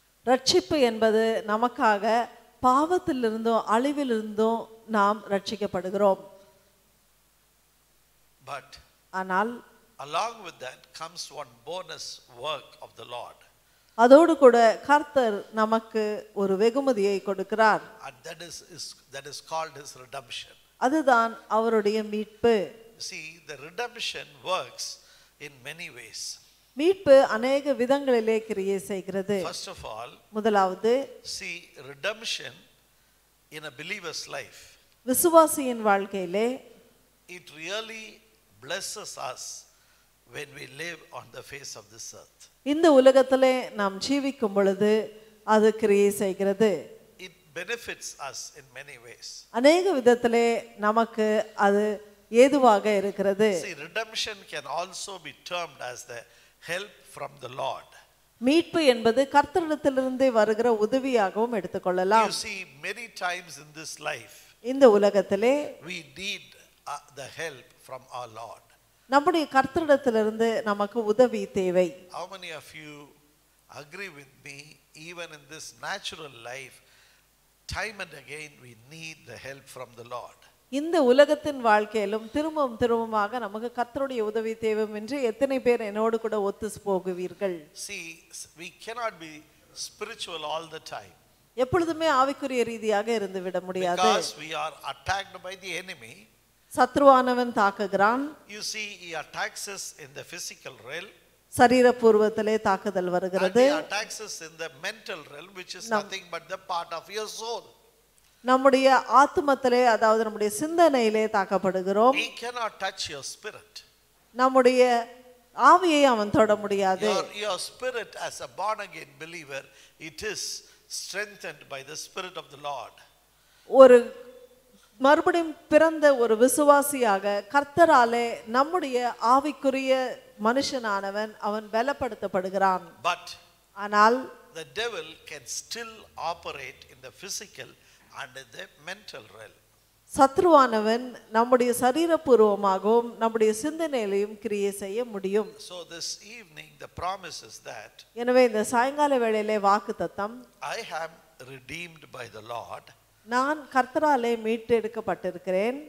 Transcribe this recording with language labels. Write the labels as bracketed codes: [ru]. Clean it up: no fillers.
[ta] ரட்சிப்பு என்பது நமக்காக பாவத்திலிருந்தும் அழிவிலிருந்தும் நாம் ரட்சிக்கப்படுகிறோம். [en] But [ta] ஆனால் [en] along with that comes one bonus work of the Lord. [ta] அதோடு கூட கர்த்தர் நமக்கு ஒரு வெகுமதியை கொடுக்கிறார். [en] And that is called his redemption. [ta] அதுதான் அவருடைய மீட்பு. [en] See, the redemption works in many ways. [ta] மீட்பு அநேக விதங்களிலே கிரியை செய்கிறது. [en] First of all, [ta] முதலாவது, [en] see, redemption in a believer's life, [ta] விசுவாசியின் வாழ்க்கையிலே, [en] it really blesses us when we live on the face of this earth. [ta] இந்த உலகத்திலே நாம் ஜீவிக்கும் பொழுது அது கிரியை செய்கிறது. [en] It benefits us in many ways. [ta] அநேக விதத்திலே நமக்கு அது ஏதுவாக இருக்கிறது. [en] See, redemption can also be termed as the help from the Lord. [ta] மீட்பு என்பது கர்த்தரிடத்திலிருந்து வருகிற உதவியாகவும் எடுத்துக்கொள்ளலாம். [en] You see, many times in this life, [ta] இந்த உலகத்திலே, [en] we need the help from our Lord. [ta] நம்முடைய கர்த்தரிடத்திலிருந்து நமக்கு உதவி தேவை. [en] How many of you agree with me, even in this natural life, Time and again we need the help from the Lord. [ta] இந்த உலகத்தின் வாழ்க்கையிலும் திரும்பவும் திரும்பமாக நமக்கு கர்த்தருடைய உதவி தேவை என்று எத்தனை பேர் என்னோடு கூட ஒத்து போகுவீர்கள். [en] See, we cannot be spiritual all the time. [ta] எப்பொழுதுமே ஆவிக்குரிய ரீதியாக இருந்து விட முடியாது. [en] Because we are attacked by the enemy. [ta] சத்ருவானவன் தாக்குகிறான். [en] You see, he attacks us in the physical realm. [ta] சரீரபூர்வத்திலே தாக்குதல் வருகிறது. [en] He attacks us in the mental realm, which is nothing but the part of your soul. [ta] நம்முடைய ஆத்மத்திலே, அதாவது நம்முடைய சிந்தனையிலே தாக்கப்படுகிறோம். [en] He cannot touch your spirit. [ta] நம்முடைய ஆவியை அவன் தொட முடியாது. [en] Your spirit as a born again believer, it is strengthened by the spirit of the Lord. [ta] ஒரு மறுபடியும் பிறந்த ஒரு விசுவாசியாக கர்த்தராலே நம்முடைய ஆவிக்குரிய மனுஷனானவன் அவன் பலப்படுத்தப்படுகிறான். [en] But [ta] ஆனால் [en] the devil can still operate in the physical and the mental realm. [ta] சத்ருவானவன் நம்முடைய சரீரபூர்வமாகவும் நம்முடைய சிந்தனையிலும் கிரியை செய்ய முடியும். [en] So this evening the promise is that [ta] எனவே இந்த சாயங்கால வேளையிலே வாக்குத்தத்தம் [en] I am redeemed by the Lord. [ta] நான் கர்த்தராலே மீட்டெடுக்கப்பட்டிருக்கிறேன்.